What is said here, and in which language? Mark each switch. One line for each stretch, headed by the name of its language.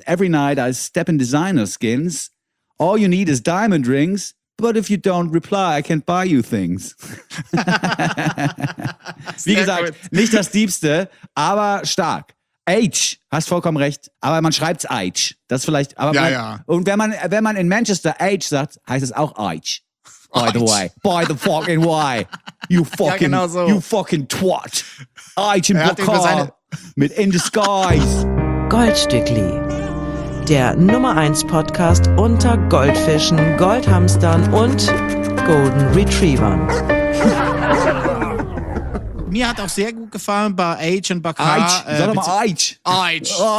English: Every night I step in designer skins. All you need is diamond rings. But if you don't reply, I can't buy you things.
German: Wie gesagt, nicht das Diebste, aber stark. H, hast vollkommen recht. Aber man schreibt's H. Das vielleicht. Aber ja, man, und wenn man in Manchester H sagt, heißt es auch H.
English: By the way, by the fucking way, you fucking twat.
German: Aitch and Bakar mit In Disguise. Goldstückli, der Nummer 1 Podcast unter Goldfischen, Goldhamstern und Golden Retrievern. Mir hat auch sehr gut gefallen bei Aitch and Bakar. Aitch, Aitch.